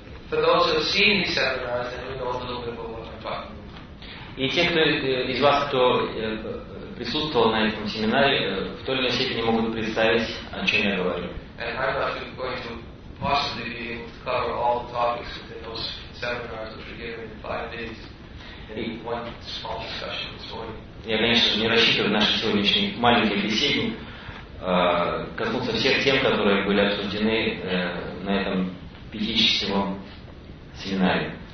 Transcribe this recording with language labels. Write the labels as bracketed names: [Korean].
[English] For those who have seen these seminars, then we know a little bit about what I'm talking about. [Russian] И те, кто из вас, кто присутствовал на этом семинаре, в той или иной степени могут представить, о чем я говорю. [English] And I'm not going to possibly be able to cover all the topics within those seminars, which were given in 5 days, in one small discussion this morning. [Russian] Я, конечно, не рассчитываю на наши сегодняшние маленькие беседы коснуться всех тем, которые были обсуждены на этом пятичасовом семинаре.